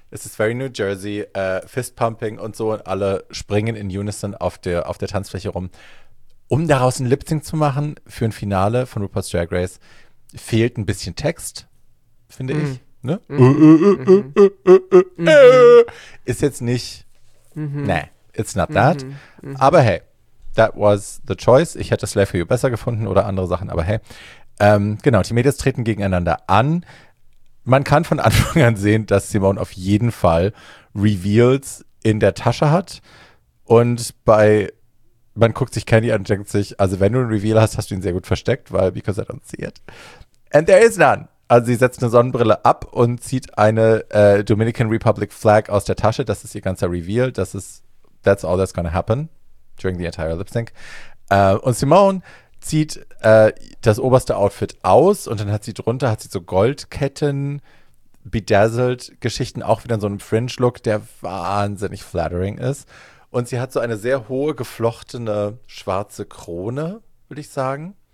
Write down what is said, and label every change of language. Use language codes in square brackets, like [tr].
[de] Es ist very New Jersey, Fist-Pumping und so und alle springen in Unison auf der Tanzfläche rum. Um daraus ein Lip-Sync zu machen für ein Finale von RuPaul's Drag Race, fehlt ein bisschen Text, finde ich. Ne? Ist jetzt nicht it's not that. [en] Aber hey, that was the choice. [de] Ich hätte Slay for You besser gefunden oder andere Sachen, aber hey. Genau, die Mädels treten gegeneinander an. Man kann von Anfang an sehen, dass Simone auf jeden Fall Reveals in der Tasche hat und man guckt sich Candy an und denkt sich, also wenn du ein Reveal hast, hast du ihn sehr gut versteckt, weil because I don't see it. And there is none. Also sie setzt eine Sonnenbrille ab und zieht eine Dominican Republic Flag aus der Tasche. Das ist ihr ganzer Reveal. [en] That's all that's gonna happen during the entire lip sync. [de] Und Simone zieht das oberste Outfit aus und dann hat sie drunter so Goldketten Bedazzled-Geschichten auch wieder so einen Fringe-Look, der wahnsinnig flattering ist. Und sie hat so eine sehr hohe, geflochtene, schwarze Krone, würde ich sagen.